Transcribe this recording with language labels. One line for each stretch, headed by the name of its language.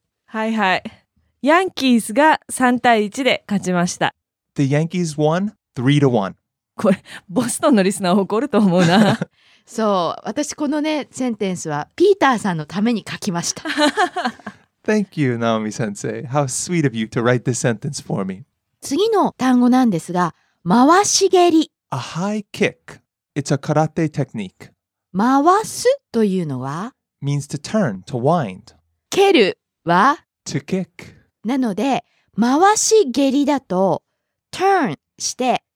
Japanese: はいはい。ヤンキーズが3対1で勝ちました。
English: The Yankees won 3-1.
Japanese: これボストンのリスナー怒ると思うな。そう、私このねセンテンスはピーターさんのために書きました。
English: Thank you, Naomi 先生. How sweet of you to write this sentence for me.
Japanese: 次の単語なんですが、回し蹴り。
English: A high kick. It's a karate technique.
Japanese: 回すというのは
English: means to turn, to wind.
Japanese: 蹴るは
English: to kick.
Japanese: なので回し蹴りだと turn して。